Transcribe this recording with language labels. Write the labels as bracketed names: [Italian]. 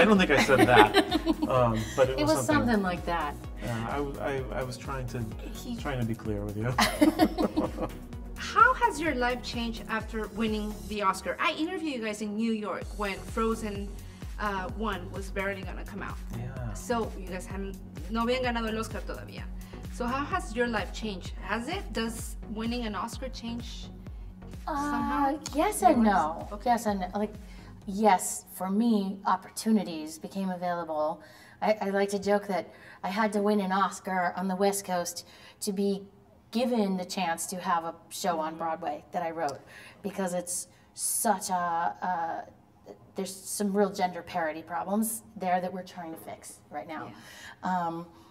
[English] I don't think I said that, but it was something like that. I was trying to be clear with you. How has your life changed after winning the Oscar? I interviewed you guys in New York when Frozen 1 was barely gonna come out. Yeah. So you guys [Spanish] no habían ganado el Oscar todavía. [English] So how has your life changed? Has it? Does winning an Oscar change somehow? Yes and no. Okay. Yes and no. Like, yes, for me, opportunities became available. I like to joke that I had to win an Oscar on the West Coast to be given the chance to have a show on Broadway that I wrote, because it's such a there's some real gender parity problems there that we're trying to fix right now. Yeah.